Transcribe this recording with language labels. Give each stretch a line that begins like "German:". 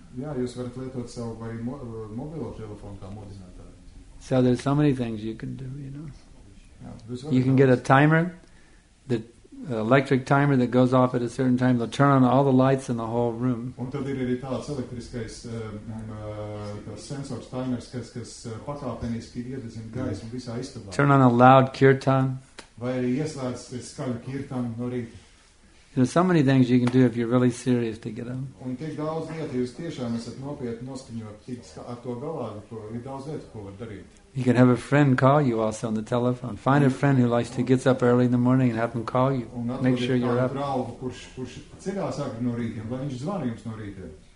Latvian: Jā, jūs varat lietot savu vai mobilo telefonu kā modinātāju.
English: So there's so many things you can do, you know. You can get a timer that electric timer that goes off at a certain time, they'll turn on all the lights in the whole room.
Latvian: Un tad ir arī tāds elektriskais tas sensors, timers, kas pakāpeniski iedzin gaismu visā istabā.
English: Turn on a loud kirtan.
Latvian: Vai arī ieslēdz skaļu kirtanu no rīta.
English: There's so many things you can do if you're really serious to get them.
Latvian: Un tik daudz lietu, jūs tiešām esat nopietni noskaņot ar to galā, ir daudz lietu, ko var darīt.
English: You can have a friend call you also on the telephone. Find a friend who likes to get up early in the morning and have them call you. Make sure you're up.
Latvian: Brālu, kurš cilvēks agri no rītiem, lai viņš zvana jums no rītiem.